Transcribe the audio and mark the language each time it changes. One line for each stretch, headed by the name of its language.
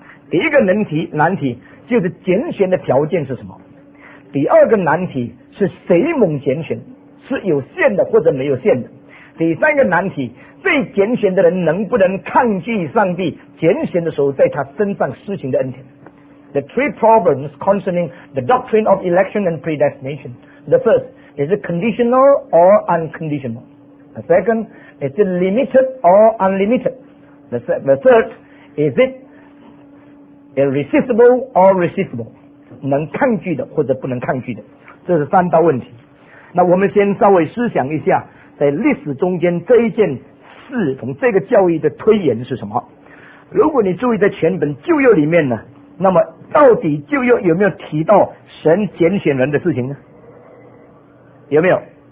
Chinese: 第一个难题就是拣选的条件是什么，第二个难题是谁蒙拣选，是有限的或者没有限的，第三个难题被拣选的人能不能抗拒上帝拣选的时候在他身上施行的恩典。
English: The three problems concerning the doctrine of election and predestination. The firstIs it conditional or unconditional? The second, is it limited or unlimited? The third, is it irresistible or resistible?
Chinese: 能抗拒的或者不能抗拒的，这是三道问题。那我们先稍微思想一下，在历史中间这一件事从这个教义的推演是什么。如果你注意在全本旧约里面呢，那么到底旧约有没有提到神拣选人的事情呢？有没有？